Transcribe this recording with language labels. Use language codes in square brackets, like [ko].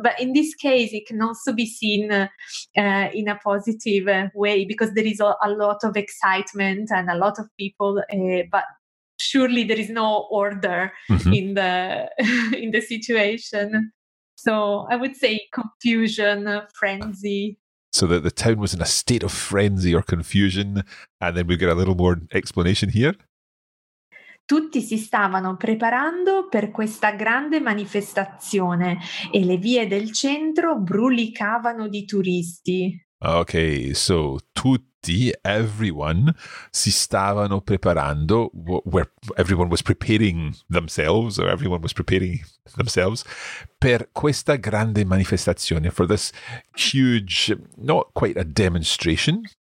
[en] But in this case, it can also be seen in a positive way because there is a lot of excitement and a lot of people, but surely there is no order in the situation. So I would say confusion, frenzy. So that the town was in a state of frenzy or confusion. And then we've got a little more explanation here. [it] Tutti si stavano preparando per questa grande manifestazione e le vie del centro brulicavano di turisti. [en] Okay, so tutti, everyone, si stavano preparando, where everyone was preparing themselves, or everyone was preparing themselves, per questa grande manifestazione, for this huge, not quite a demonstration.